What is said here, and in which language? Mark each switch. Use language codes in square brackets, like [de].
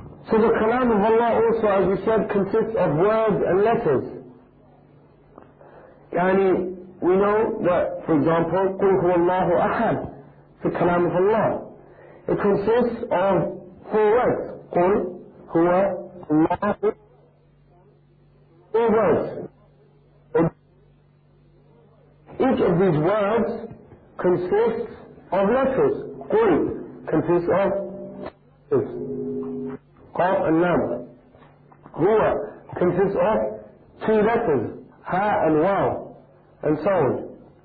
[en] So the kalam of Allah also, as we said, consists of words and letters. Yani, we know that, for example, [ar] قُلْ هُوَ اللَّهُ أَحَدٍ, [en] it's the kalam of Allah. It consists of four words. [ar] قُلْ هُوَ اللَّهُ, [en] four words. Each of these words consists of letters. قُلْ consists of letters. [ar] قَاف and لَمْ. [en] هُوَ consists of two letters, هَا and وَاو, and so on.